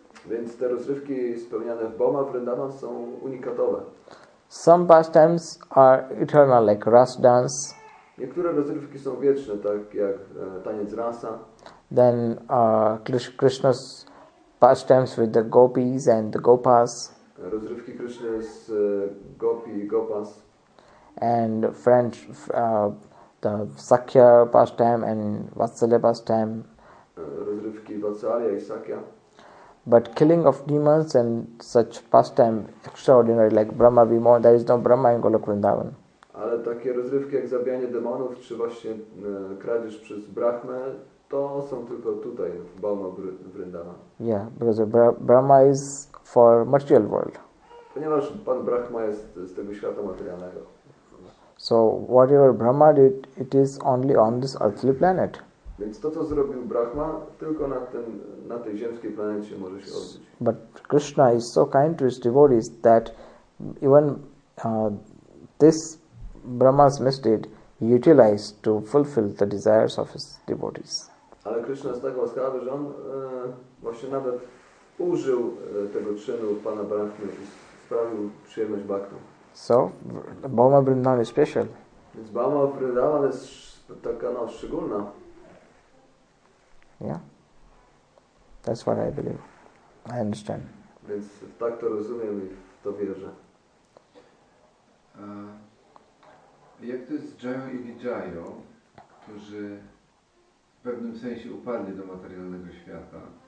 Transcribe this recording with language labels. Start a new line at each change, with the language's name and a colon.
Polish: Więc te rozrywki spełniane w Bhoma Vrindavan są unikatowe.
English: Some pastimes are eternal, like ras dance.
Polish: Niektóre rozrywki są wieczne, tak jak taniec rasa.
English: Then Krishna's pastimes with the gopis and the gopas.
Polish: Rozrywki Krishna z gopi i gopas.
English: And French the Sakya pastime and Vatsalya pastime.
Polish: Rozrywki Vatsalya i Sakya.
English: But killing of demons and such pastime extraordinary like Brahma Vimoha, there is no Brahma in Goloka Vrindavan.
Polish: Ale takie rozrywki jak zabijanie demonów czy właśnie kradzież przez Brahmę, to są tylko tutaj w Bhoma Vrindavan.
English: Yeah, because Brahma is for material world.
Polish: Ponieważ Pan Brahma jest z tego świata materialnego.
English: So whatever Brahma did, it is only on this earthly planet.
Polish: Więc to, co zrobił Brahma, tylko na ten, na tej ziemskiej planecie może się odbyć.
English: But Krishna is so kind to his devotees that even this Brahma's misdeed he utilized to fulfill the desires of his devotees.
Polish: Ale Krishna jest tak łaskawy, że on właśnie nawet użył tego czynu Pana Brahmy i sprawił przyjemność Bhaktom.
English: So, Bhoma Vrindavan is special.
Polish: Więc Bhoma Vrindavan jest taka no, szczególna.
English: Yeah. That's what I believe. I understand.
Polish: Więc tak to rozumiem i to wierzę. Jak to jest z Jayo i Vijayo, którzy w pewnym sensie upadli do materialnego świata?